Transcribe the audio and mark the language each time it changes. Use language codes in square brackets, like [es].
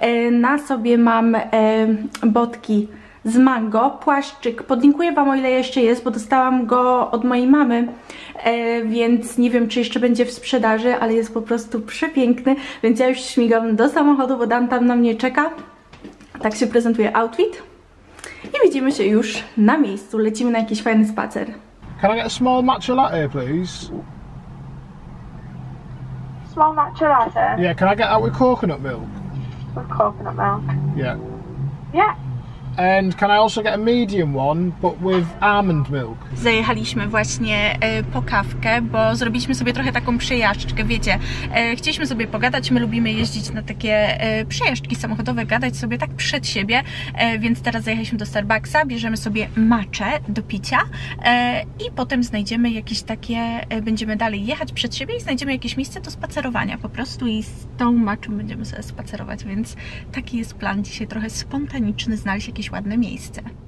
[pl] Na sobie mam botki z mango, płaszczyk, podlinkuję wam, o ile jeszcze jest, bo dostałam go od mojej mamy, więc nie wiem, czy jeszcze będzie w sprzedaży, ale jest po prostu przepiękny, więc ja już śmigam do samochodu, bo Dantan na mnie czeka. Tak się prezentuje outfit i widzimy się już na miejscu, lecimy na jakiś fajny spacer. [en] Can I get a small matcha latte, please? Small matcha latte? Yeah, can I get that with coconut milk? With coconut milk? Yeah. Yeah. And can I also get a medium one, but with almond milk? [pl] Zajechaliśmy właśnie po kawkę, bo zrobiliśmy sobie trochę taką przejażdżkę, wiecie. Chcieliśmy sobie pogadać, my lubimy jeździć na takie przejażdżki samochodowe, gadać sobie tak przed siebie, więc teraz zajechaliśmy do Starbucksa, bierzemy sobie matcha do picia i potem znajdziemy jakieś takie, będziemy dalej jechać przed siebie i znajdziemy jakieś miejsce do spacerowania po prostu i z tą matchą będziemy sobie spacerować, więc taki jest plan dzisiaj, trochę spontaniczny, znaleźć jakieś ładne miejsce.